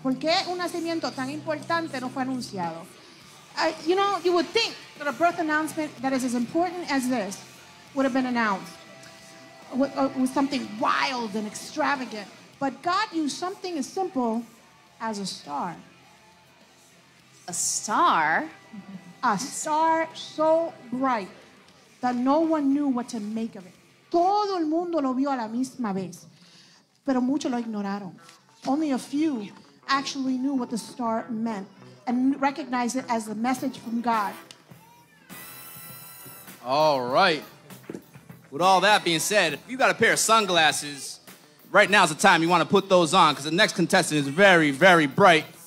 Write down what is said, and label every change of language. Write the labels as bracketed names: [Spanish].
[Spanish] ¿Por qué un nacimiento tan importante no fue anunciado? [English] You know, you would think that a birth announcement that is as important as this would have been announced with something wild and extravagant. But God used something as simple as a star. A star? A star so bright that no one knew what to make of it. [Spanish] Todo el mundo lo vio a la misma vez, pero muchos lo ignoraron. [English] Only a few actually knew what the star meant and recognized it as a message from God. All right. With all that being said, if you got a pair of sunglasses, right now's the time you want to put those on because the next contestant is very, very bright.